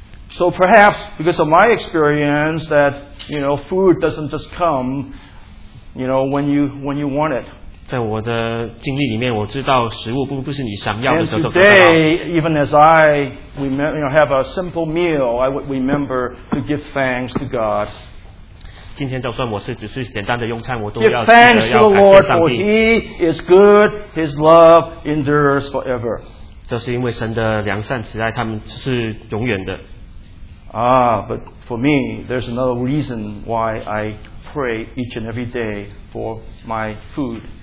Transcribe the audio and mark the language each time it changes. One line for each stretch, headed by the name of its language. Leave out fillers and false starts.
English: So perhaps because of my experience that food doesn't just come when you want it.
Chinese: 在我的经历里面，我知道食物不是你想要的时候就得到。
English: And today, even as I have a simple meal, I would remember to give thanks to God.
Chinese: 今天就算我是只是简单的用餐，我都要记得要感谢上帝。
English: Give thanks to the Lord, for He is good; His love endures forever.
Chinese: 这是因为神的良善慈爱，他们是永远的。
English: Ah, but for me, there's another reason why I pray each and every day for my food.